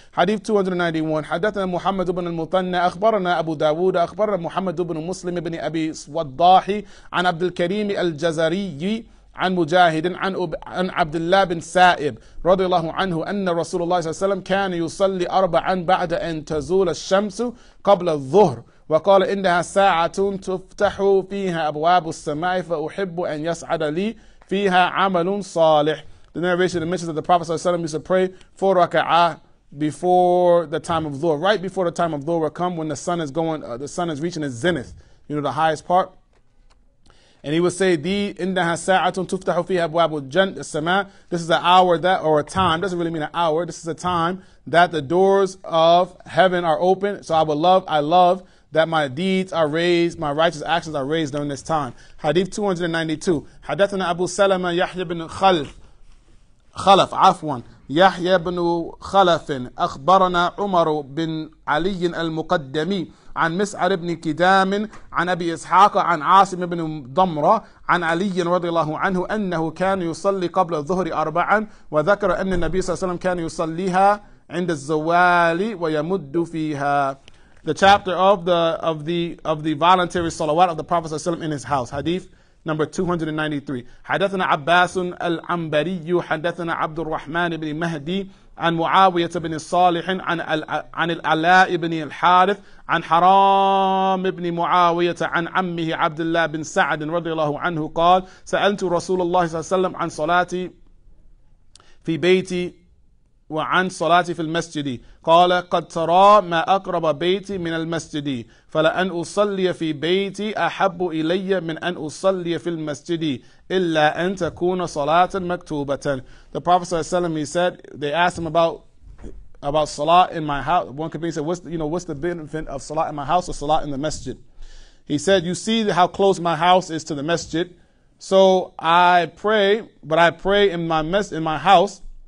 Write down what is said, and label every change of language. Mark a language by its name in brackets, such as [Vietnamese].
[Arabic] حديث 291. حدثنا محمد بن المثنى أخبرنا أبو داود أخبرنا محمد بن مسلم بن أبي الضاحي عن عبد الكريم الجزري عن مجاهد عن عبد الله بن سائب رضي الله عنه أن رسول الله صلى الله عليه وسلم كان يصلي أربعا بعد أن تزول الشمس قبل الظهر وقال إنها ساعة تفتح فيها أبواب السماء فأحب أن يسعد لي فيها عمل صالح. [English] The narration mentions that the Prophet صلى الله عليه وسلم used to pray four raka'ah before the time of Dhuhr, right before the time of Dhuhr would come when the sun is reaching its zenith, you know, the highest part. [Arabic] And he would say, إِنَّهَا سَاعَةٌ تُفْتَحُ فِيهَا أَبْوَابُ السَّمَاءِ. [English] This is an hour that, or a time, doesn't really mean an hour, this is a time that the doors of heaven are open. So I love that my deeds are raised, my righteous actions are raised during this time. Hadith 292. [Arabic] حدثنا أبو سلمة يحيى بن خلف عفوا يحيى بن خلف أخبرنا عمر بن علي المقدمي عن مسعر بن كدام عن أبي إسحاق عن عاصم بن ضمرة عن علي رضي الله عنه أنه كان يصلي قبل الظهر أربعا وذكر أن النبي صلى الله عليه وسلم كان يصليها عند الزوال ويمد فيها. [English] The chapter of the voluntary salawat of the Prophet صلى الله عليه وسلم in his house. Hadith number 293. [Arabic] حدثنا عباس العنبري حدثنا عبد الرحمن بن مهدي عن معاوية بن الصالح عن العلاء بن الحارث عن حرام بن معاوية عن عمه عبد الله بن سعد رضي الله عنه قال سألت رسول الله صلى الله عليه وسلم عن صلاتي في بيتي وعن صلاتي في المسجد قال قد ترى ما أقرب بيتي من المسجد فلأن أصلي في بيتي أحب إلي من أن أصلي في المسجد إلا أن تكون صلاة مكتوبة. [English] The Prophet صلى الله عليه وسلم, he said, they asked him about salah in my house. One could be said, what's the benefit of salah in my house or salah in the masjid? He said, you see how close my house is to the masjid, so I pray, but I pray in my house.